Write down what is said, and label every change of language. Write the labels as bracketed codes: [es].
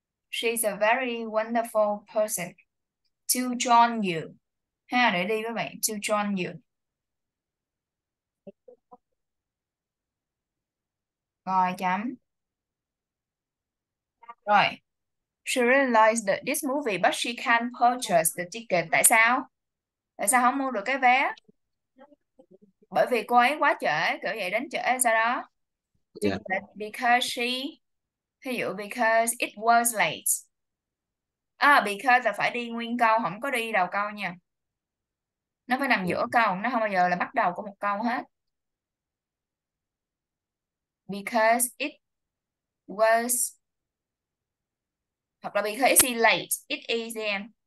[en] She's a very wonderful person to join you. [vi] Ha, để đi với bạn, [en] to join you. [vi] Rồi, chấm. Rồi. [en] She realized that this movie, but she can't purchase the ticket. [vi] Tại sao? Tại sao không mua được cái vé? Bởi vì cô ấy quá trễ, kiểu vậy đến trễ sao đó. [en] Because she, [vi] ví dụ [en] because it was late. [vi] À, because là phải đi nguyên câu, không có đi đầu câu nha. Nó phải nằm giữa câu, nó không bao giờ là bắt đầu của một câu hết. [en] Because it was, [vi] hoặc là [en] because it's late, it is em.